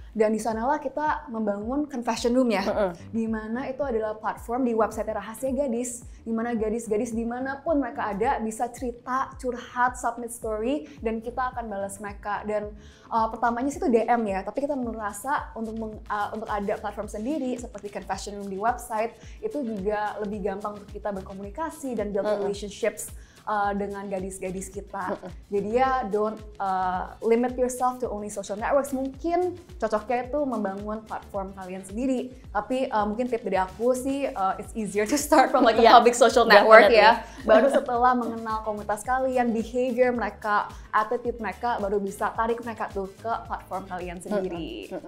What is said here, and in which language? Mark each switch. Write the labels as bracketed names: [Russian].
[Indonesian] Dan di sanalah kita membangun confession room ya, di mana itu adalah platform di website rahasia gadis, di mana gadis-gadis dimanapun mereka ada bisa cerita, curhat, submit story, dan kita akan balas mereka. Dan pertamanya sih itu DM ya, tapi kita merasa untuk ada platform sendiri seperti confession room di website itu juga lebih gampang untuk kita berkomunikasi dan build relationships dengan gadis-gadis kita. [English] Jadi ya, don't limit yourself to only social networks. [Indonesian] Mungkin cocoknya itu membangun platform kalian sendiri. Tapi mungkin tip dari aku sih, [English] it's easier to start from like a public social network ya. [Indonesian] Baru setelah mengenal komunitas kalian, behavior mereka, attitude mereka, baru bisa tarik mereka tuh ke platform kalian sendiri.